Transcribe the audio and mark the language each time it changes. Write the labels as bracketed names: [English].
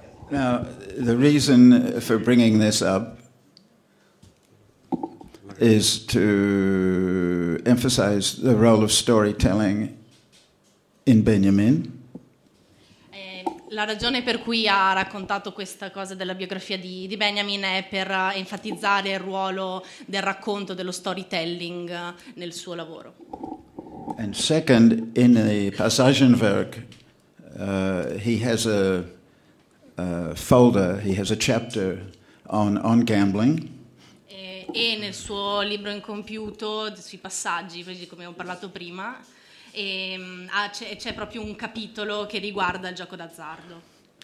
[English] Now, the reason for bringing this up is to emphasize the role of storytelling in Benjamin. [Italian] La ragione per cui ha raccontato questa cosa della biografia di Benjamin è per enfatizzare il ruolo del racconto, dello storytelling nel suo lavoro. [English] And second, in the Passagenwerk, he has a folder, he has a chapter on gambling. [Italian] E nel suo libro incompiuto, sui passaggi, come ho parlato prima, e c'è proprio un capitolo che riguarda il gioco d'azzardo.